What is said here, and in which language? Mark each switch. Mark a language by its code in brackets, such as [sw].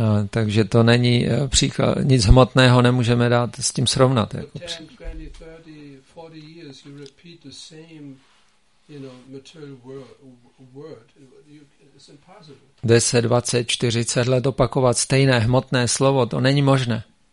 [cs] Takže to není příklad, nic hmotného nemůžeme dát s tím srovnat. Jako [en] 10, 20, 30, 40 years because you repeat the same, you know, material word. It's impossible. [cs] 10, 20, 40 let opakovat stejné hmotné slovo, to není možné.